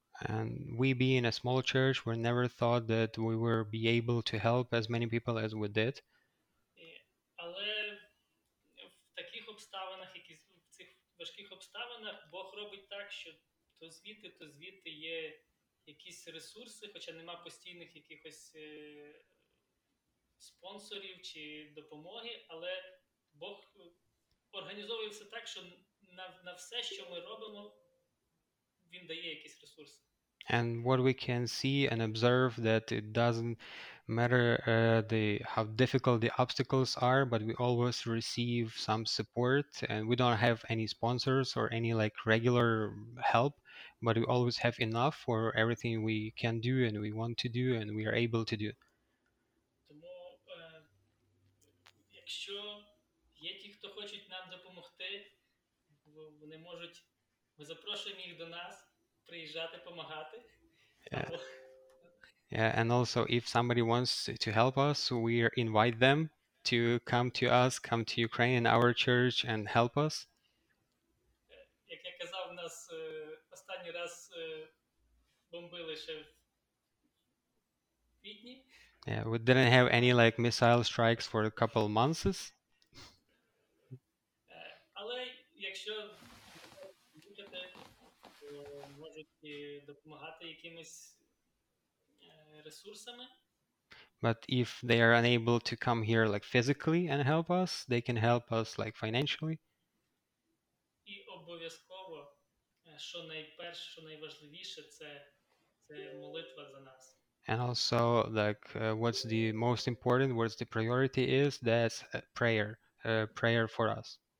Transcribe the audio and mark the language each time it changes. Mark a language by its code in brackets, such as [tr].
[en] And we being a small church, we never thought that we would be able to help as many people as we did. [uk] Але в таких обставинах, які в цих важких обставинах, Бог робить так, що то звідти є якісь ресурси, хоча нема постійних якихось спонсорів чи допомоги, але Бог організовує все так, що на все, що ми робимо, Він дає якісь ресурси. [en] And what we can see and observe, that it doesn't matter how difficult the obstacles are, but we always receive some support, and we don't have any sponsors or any like regular help, but we always have enough for everything we can do and we want to do and we are able to do. [uk] Тому якщо є ті, хто хочуть нам допомогти, вони можуть, ми запрошуємо їх до нас приїжджати допомагати. [en] Yeah, and also if somebody wants to help us, we invite them to come to us, come to Ukraine in our church and help us. [uk] Як я казав, нас останній раз бомбили ще в квітні. [en] Yeah, we didn't have any like missile strikes for a couple of months. [uk] Але якщо будете, можете допомагати якимось ресурсами. [en] But if they are unable to come here like physically and help us, they can help us like financially. [uk] І обов'язково, що найперше, що найважливіше, це молитва за нас. [en] And also, like, what's the most important, what's the priority is, that's prayer for us.